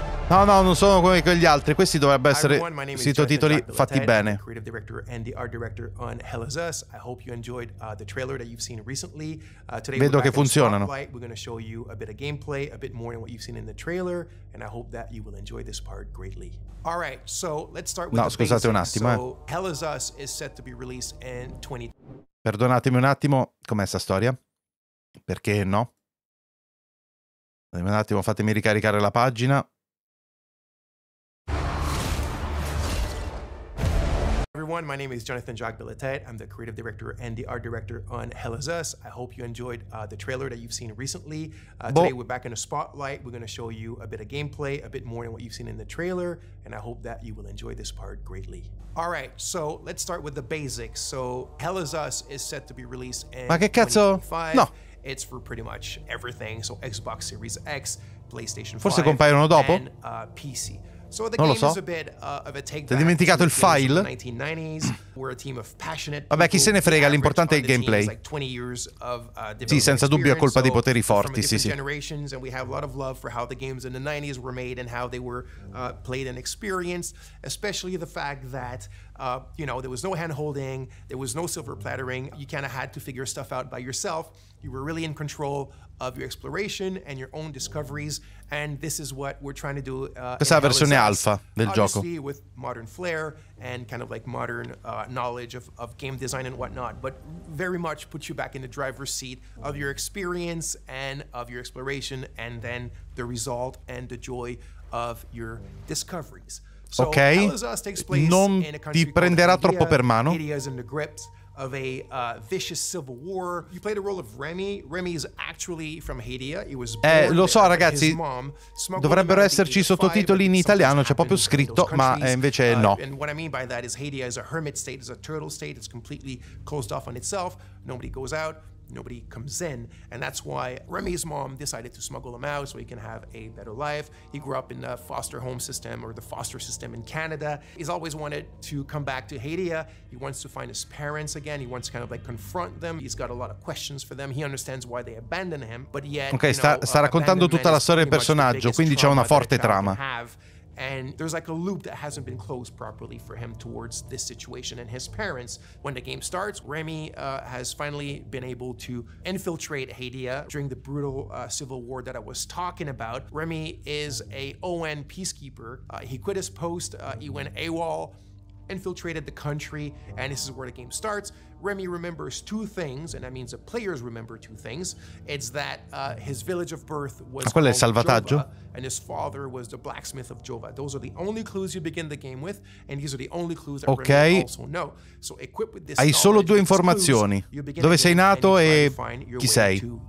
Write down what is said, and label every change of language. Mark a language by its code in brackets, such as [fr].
[it] No, non sono come quegli altri. Questi dovrebbero essere sottotitoli fatti bene. [en] Creative director and the art director on Hell Is Us. I hope you enjoyed the trailer that you've seen recently. [it] Today vedo che funzionano. [en] We're going to show you a bit of gameplay, a bit more than what you've seen in the trailer, and I hope that you will enjoy this part greatly. All right, so let's start with the basics. [it] No, scusate un attimo. [en] So Hell Is Us is set to be released in 20. [it] Perdonatemi un attimo, com'è sta storia? Perché no? Un attimo, fatemi ricaricare la pagina. [en] Everyone, my name is Jonathan Jacques-Belletet. I'm the creative director and the art director on Hell Is Us. I hope you enjoyed the trailer that you've seen recently. Today we're back in the spotlight. We're going to show you a bit of gameplay, a bit more than what you've seen in the trailer, and I hope that you will enjoy this part greatly. All right, so let's start with the basics. So Hell Is Us is set to be released in 2025. No. It's for pretty much everything. So Xbox Series X, PlayStation 5, [it] forse compaiono dopo. [en] And PC. So the game is a bit of a take. [it] Ti dimenticato il file? [en] 1990s. We're a team of passionate. [it] Vabbè, chi se ne frega, l'importante è il gameplay. Sì, senza dubbio è colpa dei poteri forti, sì, sì. [en] And we have a lot of love for how the games in the 90s were made and how they were played and experienced, especially the fact that you know, there was no handholding, there was no silver plattering. You kind of had to figure stuff out by yourself. You were really in control of your exploration and your own discoveries, and this is what we're trying to do. [it] Questa è la versione alfa del gioco. [en] Obviously, with modern flair and kind of like modern knowledge of game design and whatnot, but very much put you back in the driver's seat of your experience and of your exploration, and then the result and the joy of your discoveries. [it] So, ok, non ti prenderà troppo per mano. [en] Of a vicious civil war. You play the role of Remy. Remy is actually from Hadia. He was born [it] lo so, ragazzi. Dovrebbero esserci sottotitoli in italiano, c'è proprio scritto, ma invece no. [en] And what I mean by that is Hadia is a hermit state, is a turtle state. It's completely closed off on itself. Nobody goes out, nobody comes in, and that's why Remy's mom decided to smuggle him out so he can have a better life. He grew up in the foster home system, or the foster system in Canada. He's always wanted to come back to Hadia. He wants to find his parents again. He wants to kind of like confront them. He's got a lot of questions for them. He understands why they abandoned him, but yet, [it] okay, sta raccontando tutta la storia del personaggio, quindi c'è una forte trama. [en] And there's like a loop that hasn't been closed properly for him towards this situation and his parents. When the game starts, Remy has finally been able to infiltrate Hadia during the brutal civil war that I was talking about. Remy is a ON peacekeeper. He quit his post, he went AWOL, infiltrated the country, and this is where the game starts. Remy remembers two things, and that means the players remember two things. It's that his village of birth was [it] quello è il salvataggio. [en] Jova, and his father was the blacksmith of Jova. Those are the only clues you begin the game with, and these are the only clues that okay. Remy also know. So equipped with this, [it] hai solo due informazioni. Clues, dove sei nato e chi sei?